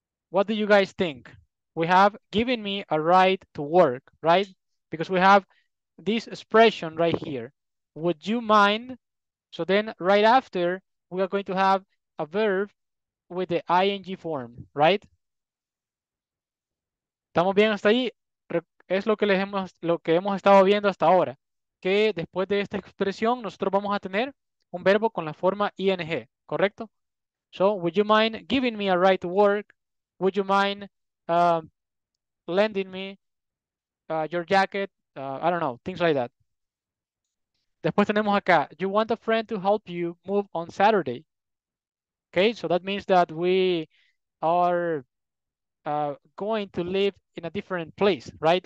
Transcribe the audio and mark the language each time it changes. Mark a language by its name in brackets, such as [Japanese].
[English] What do you guys think? We have given me a right to work, right? Because we have this expression right here. Would you mind? So then right after, we are going to have a verb with the ing form, right? [Spanish] ¿Estamos bien hasta ahí? Es lo que hemos estado viendo hasta ahora. Que después de esta expresión, nosotros vamos a tener un verbo con la forma ing, ¿correcto? [English] So would you mind giving me a right to work? Would you mind lending me your jacket, I don't know, things like that. [Spanish] Después tenemos acá, [English] you want a friend to help you move on Saturday. Okay, so that means that we are going to live in a different place, right?